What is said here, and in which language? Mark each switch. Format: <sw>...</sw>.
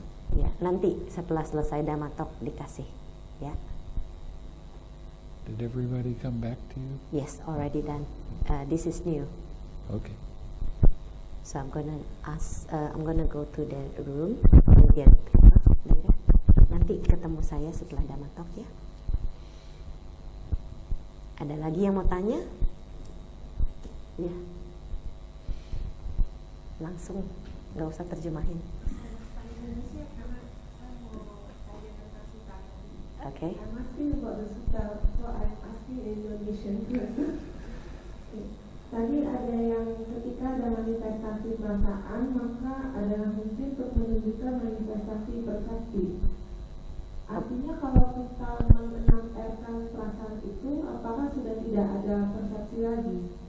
<id>Yeah, nanti setelah selesai damatok dikasih. Yeah.</id> <en>Did everybody come back to you? Yes, already done. This is new. Okay. So I'm gonna ask. I'm gonna go to the room and get paper.</en> <id>Nanti ketemu saya setelah damatok ya. Ada lagi yang mau tanya? Ya. Langsung, nggak usah terjemahin.</id> <en>Okay. I'm asking about the sutta, so I'm asking in Indonesian.</en> <id>Tadi ada yang ketika ada manifestasi perasaan, maka ada fungsi untuk menunjukkan manifestasi persepsi. Artinya kalau kita menampilkan perasaan itu, apakah sudah tidak ada persepsi lagi?</id>